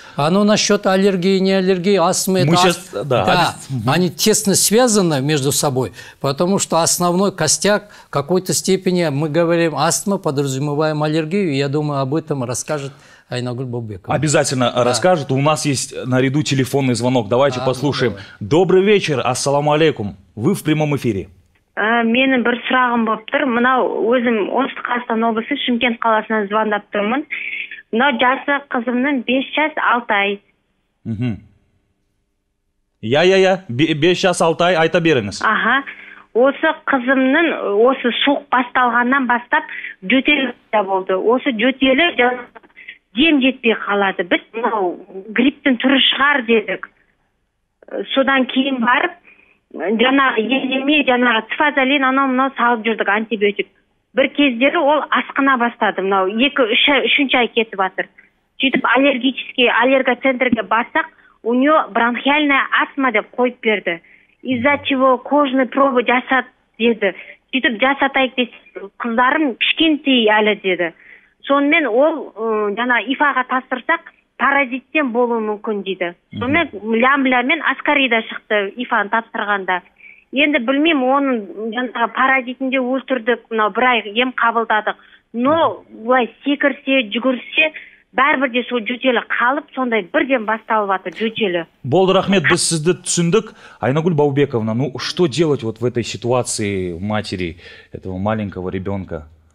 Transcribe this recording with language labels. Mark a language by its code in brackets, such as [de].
[ru] Оно насчет аллергии, не аллергии, астмы. Они тесно связаны между собой, потому что основной костяк в какой-то степени, мы говорим астма, подразумеваем аллергию, и я думаю, об этом расскажет Айнагуль Бабекова. Обязательно расскажет. У нас есть наряду телефонный звонок. Давайте послушаем. Давай. Добрый вечер, ассаламу алейкум. Вы в прямом эфире. [kk] Менің бір сұрағым болып тұр. Мынау өзім Оңтүстік Қазақстан облысы Шымкент қаласынан звондап тұрмын. Мынау жасы қызымның 5 жас 6 ай. Я, 5 жас 6 ай, айта беріңіз. Аха. Осы қызымның осы суық басталғаннан бастап жөтелі болды. Осы жөтелі дем жетпей қалады. Біз мынау гриптің түрі шығар дедік. Содан кейін барып жаңағы енеме жаңағы цифазолин анау мынау салып жүрдік, антибиотик. Бір кездері ол асқына бастады, мынау 2-3 ай кетіп жатыр. Сөйтіп аллергоцентрге барсақ, [ru] у нее бронхиальная астма [kk] деп қойып берді. [ru] Из-за чего кожный пробы [kk] жасат деді. Сөйтіп жасатайық десе, қыздарым кішкентей әлі деді. Сонымен ол жаңағы ифаға тапсырсақ, паразиттен болуы мүмкін дейді. Сонымен лям-лямен аскарида шықты ифаны тапсырғанда. Енді білмеймін, оның паразитінде өлтірдік, бір ай ем қабылдадық. Но бұлай секірсе, жүгірсе, бәрібір де сол жөтелі қалып, сондай бірден басталып жатыр жөтелі. Болды, рахмет, біз сізді түсіндік. [ru] Айнагуль Баубековна, ну что делать вот в этой ситуации матери этого маленького ребенка?